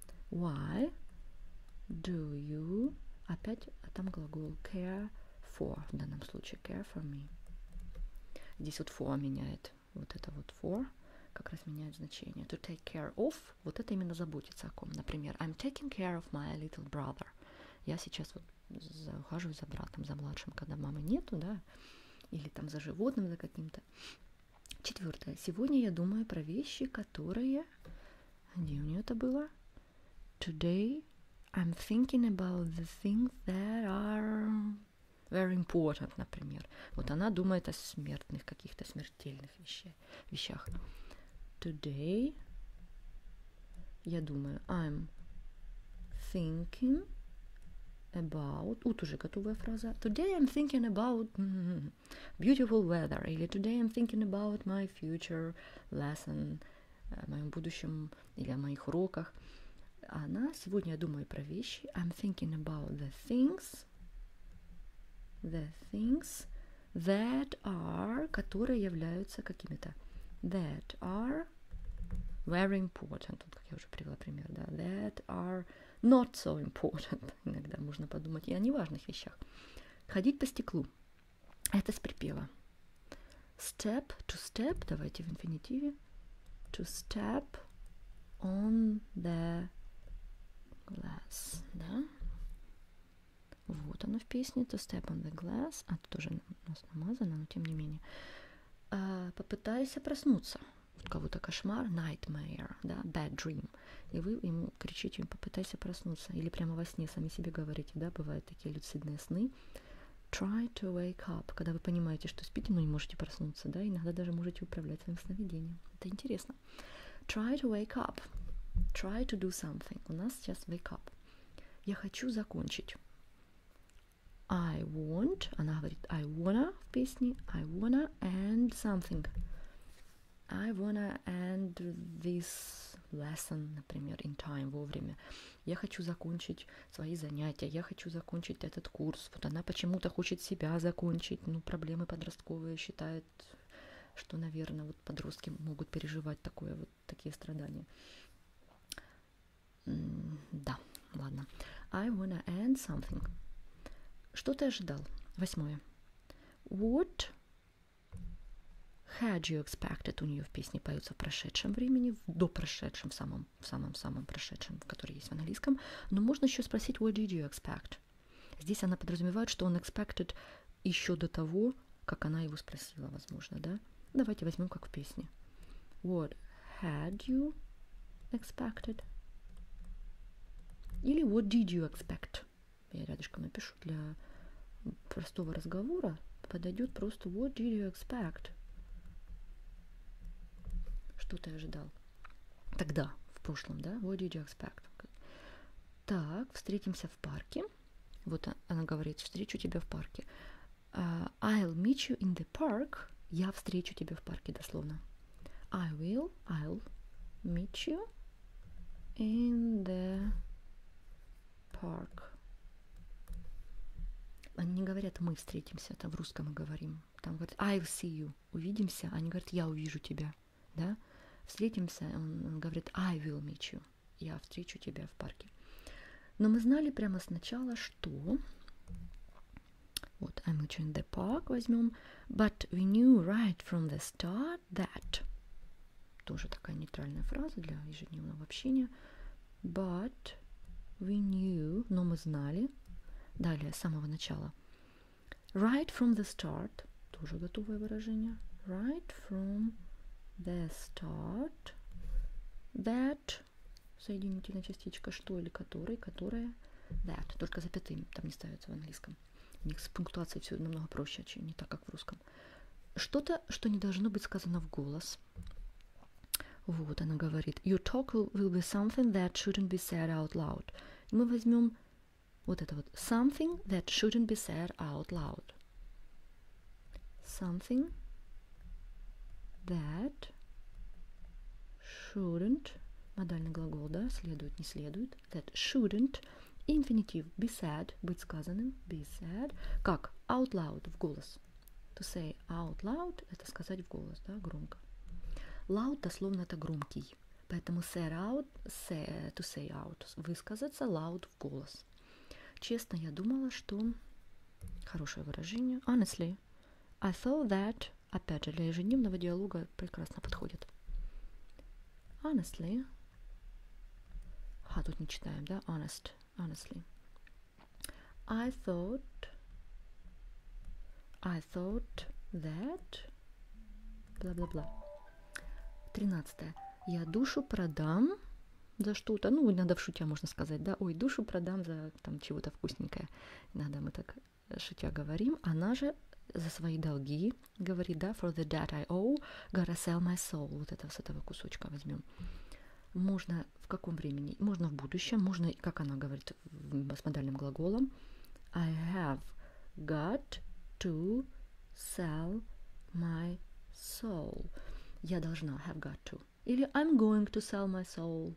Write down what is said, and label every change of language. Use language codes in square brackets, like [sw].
[en] Why do you... [ru] Опять, а там глагол [en] care for [ru] в данном случае. [en] Care for me. [ru] Здесь вот for меняет. Вот это вот for как раз меняет значение. [en] To take care of. [ru] Вот это именно заботиться о ком. [en] Например, I'm taking care of my little brother. [ru] Я сейчас вот ухаживаю за братом, за младшим, когда мамы нету, да? Или там за животным, за каким-то. Четвертое. Сегодня я думаю про вещи, которые... Где у нее это было? [en] Today I'm thinking about the things that are very important, например. [ru] Вот она думает о смертных, каких-то смертельных вещах. [en] Today [ru] я думаю [en] I'm thinking about... [ru] Вот уже готовая фраза. [en] Today I'm thinking about beautiful weather. Или today I'm thinking about my future lesson. [ru] О моем будущем или о моих уроках. Она... Сегодня я думаю про вещи. [en] I'm thinking about the things that are... [ru] Которые являются какими-то... [en] That are very important. [ru] Вот как я уже привела пример, да. [en] That are... Not so important. [ru] Иногда можно подумать и о неважных вещах. Ходить по стеклу. Это с припева. [en] Step to step. [ru] Давайте в инфинитиве. [en] To step on the glass. [ru] Да? Вот оно в песне. [en] To step on the glass. [ru] А тут уже у нас намазано, но тем не менее. Попытайся проснуться. Вот кого-то кошмар, nightmare, да, [en] bad dream. [ru] И вы ему кричите, попытайся проснуться. Или прямо во сне сами себе говорите, да, бывают такие люцидные сны. [en] Try to wake up, [ru] когда вы понимаете, что спите, но не можете проснуться, да, иногда даже можете управлять своим сновидением. [en] Это интересно. Try to wake up. Try to do something. [ru] У нас сейчас [en] wake up. [ru] Я хочу закончить. [en] I want, [ru] она говорит, [en] I wanna [ru] в песне, [en] I wanna end something. I wanna end this lesson, например, in time, вовремя. [ru] Я хочу закончить свои занятия, я хочу закончить этот курс. Вот она почему-то хочет себя закончить, ну, проблемы подростковые считает, что, наверное, вот подростки могут переживать такое, вот такие страдания. Да, ладно. [en] I wanna end something. [ru] Что ты ожидал? Восьмое. [en] What had you expected? [ru] У нее в песне поются в прошедшем времени, в допрошедшем, в самом прошедшем, который есть в английском. Но можно еще спросить, [en] what did you expect? [ru] Здесь она подразумевает, что он expected еще до того, как она его спросила, возможно, да? Давайте возьмем, как в песне. [en] What had you expected? Или what did you expect? [ru] Я рядышком напишу для простого разговора. Подойдет просто [en] what did you expect? [ru] Что ты ожидал тогда, в прошлом, да? [en] What did you expect? [ru] Так, встретимся в парке. Вот она говорит, встречу тебя в парке. [en] I'll meet you in the park. [ru] Я встречу тебя в парке, дословно. [en] I'll meet you in the park. [ru] Они не говорят, мы встретимся, там в русском мы говорим. Там говорят, [en] I'll see you, [ru] увидимся. Они говорят, я увижу тебя, да? Встретимся, он говорит, [en] I will meet you. [ru] Я встречу тебя в парке. Но мы знали прямо сначала, что... Вот, А мы что-нибудь [en] the park [ru] возьмем. [en] But we knew right from the start that... [ru] Тоже такая нейтральная фраза для ежедневного общения. [en] But we knew... [ru] Но мы знали. Далее, с самого начала. [en] Right from the start. [ru] Тоже готовое выражение. [en] Right from the start. That... [ru] Соединительная частичка. Что или который. Которое. That. Только запятые там не ставятся в английском. У них с пунктуацией все намного проще, чем не так, как в русском. Что-то, что не должно быть сказано в голос. Вот она говорит. [en] Your talk will be something that shouldn't be said out loud. [ru] И мы возьмем вот это вот. [en] Something that shouldn't be said out loud. Something that shouldn't. [ru] Модальный глагол, да? Следует, не следует. [en] That shouldn't. [ru] Инфинитив [en] be said, [ru] быть сказанным, be said, как [en] out loud, [ru] в голос. [en] To say out loud [ru] – это сказать в голос, да, громко. Loud – дословно это громкий, поэтому say out, say, [en] to say out [ru] – высказаться loud в голос. Честно, я думала, что… Хорошее выражение. [en] Honestly, I thought that… [ru] Опять же, для ежедневного диалога прекрасно подходит. Honestly. А тут не читаем, да? Honest. [en] Honestly, I thought that, бла-бла-бла. [ru] Тринадцатое. Я душу продам за что-то. Ну, иногда в шутя можно сказать, да? Ой, душу продам за там чего-то вкусненькое. Иногда мы так шутя говорим. Она же за свои долги говорит, да? [en] For the debt I owe, gotta sell my soul. [ru] Вот это с этого кусочка возьмем. Можно в каком времени? Можно в будущем, можно, как она говорит, с модальным глаголом. [en] I have got to sell my soul. [ru] Я должна, [en] have got to. [ru] Или I'm going to sell my soul.